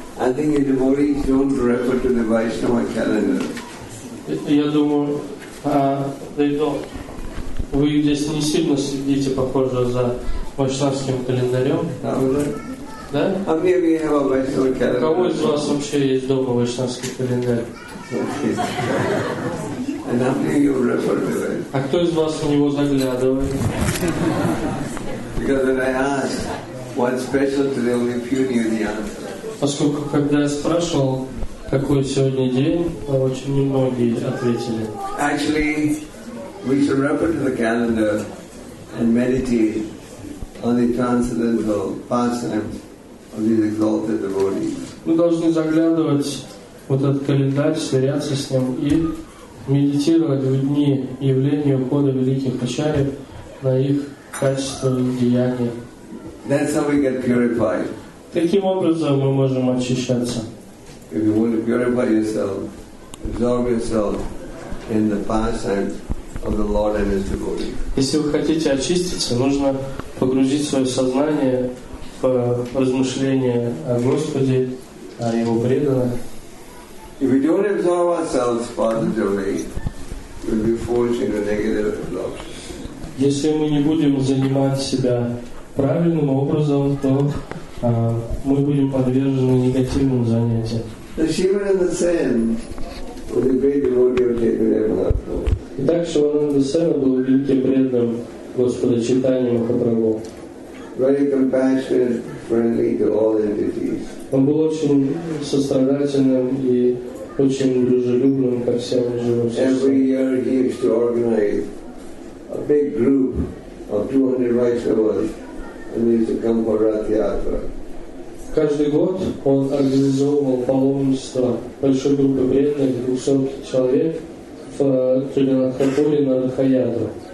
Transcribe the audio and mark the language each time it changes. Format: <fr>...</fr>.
<en>I think the devotees don't refer to the Vaishnava calendar.</en> <ru>Я думаю,</ru> <en>they don't.</en> <ru>Вы здесь не сильно следите, похоже, за вайшнавским календарем. Да?</ru> <en>How many of you have a Vaishnava calendar?</en> <ru>Кому из вас вообще есть дома вайшнавский календарь?</ru> <en>And how many of you refer to it?</en> <ru>А кто из вас в него заглядывает?</ru> <en>Because when I ask, what's special to the only few, you the answer.</en> <ru>Поскольку, когда я спрашивал, какой сегодня день, очень немногие ответили.</ru> <en>Actually, we should refer to the calendar and meditate on the transcendental pastimes of these exalted devotees.</en> <ru>Мы должны заглядывать в этот календарь, сверяться с ним и медитировать в дни явления ухода великих ачарьев на их качество и деяния.</ru> <en>That's how we get purified.</en> <ru>Таким образом мы можем очищаться.</ru> <en>If you want to purify yourself, absorb yourself in the pastimes of the Lord and His devotees.</en> <ru>Если вы хотите очиститься, нужно погрузить свое сознание в размышления о Господе, о Его преданных.</ru> <en>If we don't absorb ourselves positively, we'll be forced into negative absorption.</en> <ru>Если мы не будем занимать себя правильным образом, то мы будем подвержены негативным занятиям. Итак, Шивананда Сен был великим преданным Господа Чайтаньи Махапрабху.</ru> <en>Very compassionate, friendly to all entities.</en> <ru>Он был очень сострадательным и очень дружелюбным ко всем живым существам.</ru> <en>Every year he used to organize a big group of 200 Vaishnavas and they used to come for Rath Yatra.</en> <ru>Каждый год он организовывал паломничество большой группы преданных 200 человек в Тиринахапуре на Рахаядру.</ru>